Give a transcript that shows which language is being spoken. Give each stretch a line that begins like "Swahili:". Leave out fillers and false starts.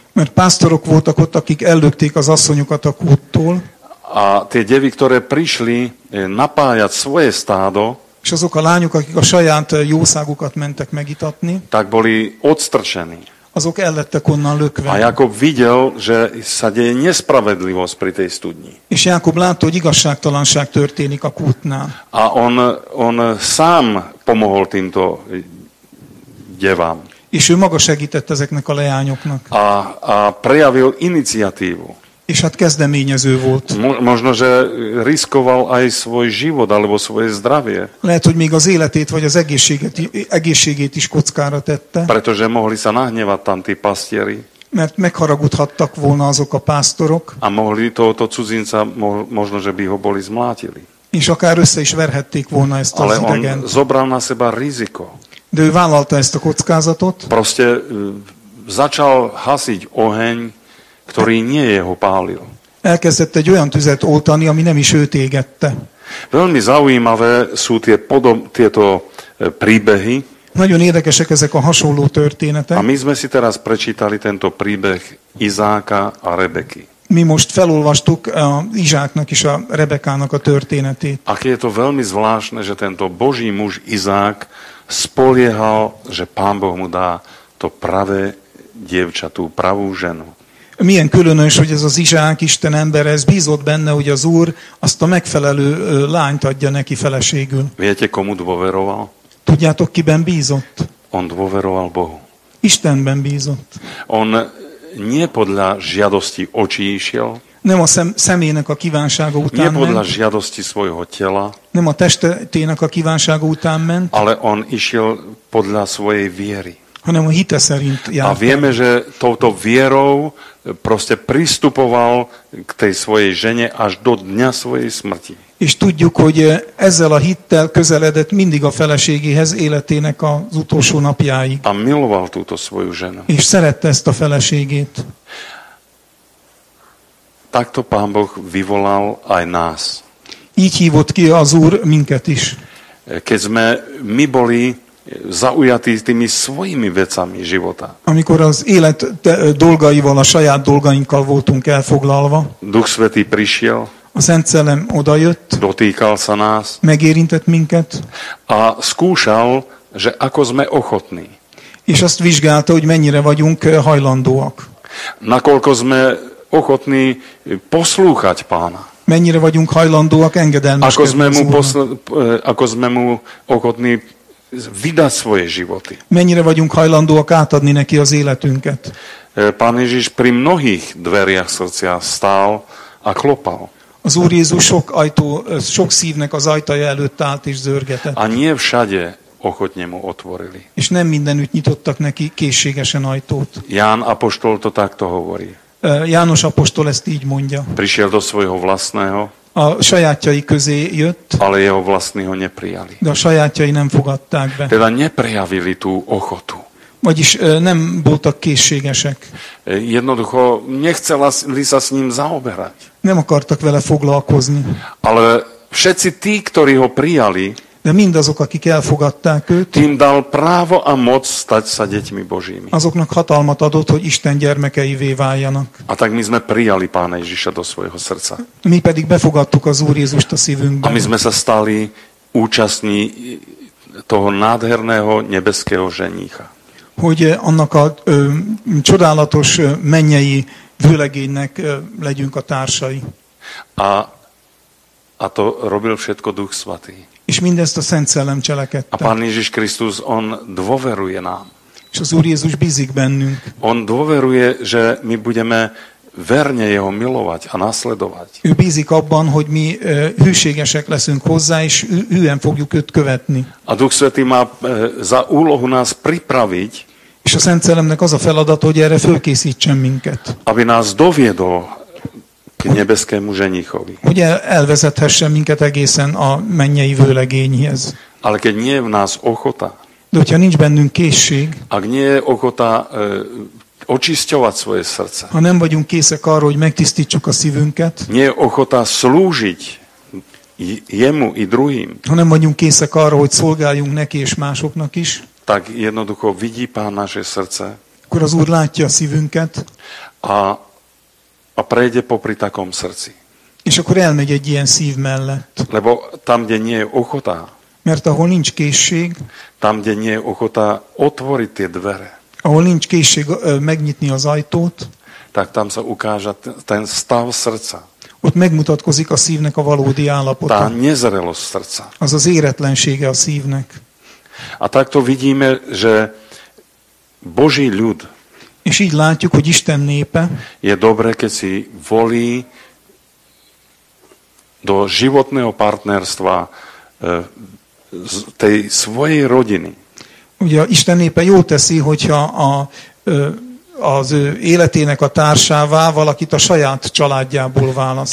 Hungarian: Mert pastorok voltak ott, akik ellökték az asszonyokat a kúttól.
Slovak: A tie devy, ktoré prišli napájať svoje stádo,
Hungarian: és azok a lányok, akik a saját jószágukat mentek megitatni,
Slovak: tak boli odstrčení.
Hungarian: Azok ellettek onnan lökve.
Slovak: A Jakob videl, že sa deje nespravedlivosť pri tej studni.
Hungarian: És Jakob látta, hogy igazságtalanság történik a kútnál.
Slovak: A on sám pomohol týmto devám.
Hungarian: És ő maga segített ezeknek a leányoknak.
Slovak: A prejavil iniciatívu.
Hungarian: És hát kezdeményező volt.
Slovak: Možno, že riskoval aj svoj život, alebo svoje zdravie.
Hungarian: Lehet, hogy még az életét, vagy az egészségét is kockára tette.
Slovak: Pretože mohli sa nahnevať tam tí pastieri.
Hungarian: Mert megharagudhattak volna azok a pásztorok.
Slovak: A mohli tohoto cudzinca, možno, že by ho boli zmlátili.
Hungarian: És akár össze is verhették volna ezt
Slovak: Ale
Hungarian: az idegent.
Slovak: Ale on zobral na seba riziko.
Hungarian: De ő vállalta ezt a kockázatot.
Slovak: Proste začal hasiť oheň, ktorý nie jeho pálil.
Hungarian: Elkezdett egy olyan tüzet oltani, ami nem is őt égette.
Slovak: Veľmi zaujímavé sú tieto príbehy.
Hungarian: Nagyon érdekesek ezek a hasonló történetek.
Slovak: A my sme si teraz prečítali tento príbeh Izáka a Rebeky.
Hungarian: mi most felolvastuk Izsáknak és a Rebekának a történetét.
Slovak: A je to veľmi zvláštne, že tento Boží muž Izák spoliehal, že Pán Boh mu dá to pravé dievča, tú pravú ženu.
Hungarian: Milyen különös, hogy ez az Izsák, Isten ember, ez bízott benne, hogy az Úr azt a megfelelő lányt adja neki feleségül.
Slovak: Viete, komu dôveroval?
Hungarian: Tudjátok, kiben bízott?
Slovak: On dôveroval Bohu.
Hungarian: Istenben bízott.
Slovak: On nie podľa žiadosti očí išiel.
Hungarian: Nem a személynek a kívánsága után ment.
Slovak: Nie podľa žiadosti svojho tela.
Hungarian: Nem a testének a kívánsága után ment.
Slovak: Ale on išiel podľa svojej viery.
Hungarian: Hanem a hite szerint járt.
Slovak: A vieme, že touto vierou proste pristupoval k tej svojej žene až do dňa svojej smrti.
Hungarian: És tudjuk, hogy ezzel a hittel közeledett mindig a feleségéhez életének az utolsó napjáig.
Slovak: A miloval túto svoju ženu.
Hungarian: És szerette ezt a feleségét.
Slovak: Takto Pán Boh vyvolal aj nás.
Hungarian: Így hívott ki az Úr minket is.
Slovak: Keď sme my boli zaujatý tými svojimi vecami života.
Hungarian: Amikor az élet dolgaival, a saját dolgainkkal voltunk elfoglalva.
Slovak: Duch Svätý prišiel.
Hungarian: A Szent Szellem odajött.
Slovak: Dotýkal sa nás.
Hungarian: Megérintett minket.
Slovak: A skúšal, že ako sme ochotní.
Hungarian: És azt vizsgálta, hogy mennyire vagyunk hajlandóak.
Slovak: Nakoľko sme ochotní poslúchať Pána.
Hungarian: Mennyire vagyunk hajlandóak engedelmeskedni.
Slovak: Ako sme mu ochotní vydať svoje životy.
Hungarian: Mennyire vagyunk hajlandóak átadni neki az életünket.
Slovak: Pán Ježiš pri mnohých dveriach srdcia stál a klopal.
Hungarian: Az Úr Jézus sok ajtó, sok szívnek az ajtaja előtt állt és zörgetett.
Slovak: A nie všade ochotne mu otvorili.
Hungarian: És nem mindenütt nyitottak neki készségesen ajtót.
Slovak: Ján apostol to takto hovorí.
Hungarian: János apostol ezt így mondja.
Slovak: Prišiel do svojho vlastného.
Hungarian: A sajátjai közé jött.
Slovak: Ale jeho vlastní ho neprijali.
Hungarian: De a sajátjai nem fogadták be.
Slovak: Teda neprejavili tú ochotu.
Hungarian: Vagyis nem voltak készségesek.
Slovak: Jednoducho nechceli sa s ním zaoberať.
Hungarian: Nem akartak vele foglalkozni.
Slovak: Ale všetci tí, ktorí ho prijali,
Hungarian: de mindazok, akik elfogadták őt,
Slovak: tým dal právo a moc stať sa deťmi Božími.
Hungarian: Azoknak hatalmat adott, hogy Isten gyermekeivé váljanak.
Slovak: A tak my sme prijali Pána Ježiša do svojho srdca.
Hungarian: My pedig befogadtuk az Úr Jézust a szívünkbe.
Slovak: A my sme sa stali účastní toho nádherného nebeského ženícha.
Hungarian: Hogy annak a csodálatos mennyei vőlegénynek legyünk a társai.
Slovak: A to robil všetko Duch Svatý.
Hungarian: És mindezt a Szent Szellem cselekedte.
Slovak: A Pán Ježiš Krisztus, on dôveruje nám.
Hungarian: És az Úr Jézus bízik bennünk.
Slovak: On dôveruje, že my budeme verne jeho milovať a nasledovať.
Hungarian: Ő bízik abban, hogy mi hűségesek leszünk hozzá, és hűen fogjuk őt követni.
Slovak: A Duch Svätý má za úlohu nás pripraviť.
Hungarian: És a Szent Szellemnek az a feladat, hogy erre fölkészítsen minket.
Slovak: Aby nás doviedol nebeskému ženichovi.
Hungarian: Ugye elvezethesse minket egészen a mennyei vőlegényhez.
Slovak: Ale keď nie je v nás ochota.
Hungarian: De hogyha nincs bennünk készség.
Slovak: Ak nie je ochota očisťovať svoje srdce.
Hungarian: Ha nem vagyunk készek arra, hogy megtisztítsuk a szívünket.
Slovak: Nie je ochota slúžiť jemu i druhým.
Hungarian: Ha nem vagyunk készek arra, hogy szolgáljunk neki és másoknak is.
Slovak: Tak jednoducho vidí Pán naše srdce.
Hungarian: Akkor az Úr látja a szívünket.
Slovak: A prejde popri takom srdci.
Hungarian: És akkor elmegy egy ilyen szív mellett.
Slovak: Lebo tam, kde nie je ochota.
Hungarian: Mert ahol nincs készség.
Slovak: Tam, kde nie je ochota otvoriť tie dvere.
Hungarian: Ahol nincs készség megnyitni az ajtót.
Slovak: Tak tam sa ukáža ten stav srdca.
Hungarian: Ott megmutatkozik a szívnek a valódi állapota.
Slovak: Tá nezrelosť srdca.
Hungarian: Az az éretlensége a szívnek.
Slovak: A takto vidíme, že Boží ľud.
Hungarian: És így látjuk, hogy Isten népe
Slovak: je dobre, keď si volí do životného partnerstva z tej svojej rodiny.
Hungarian: Ugye Isten népe jó teszi, hogyha az életének a társává valakit a saját családjából választ.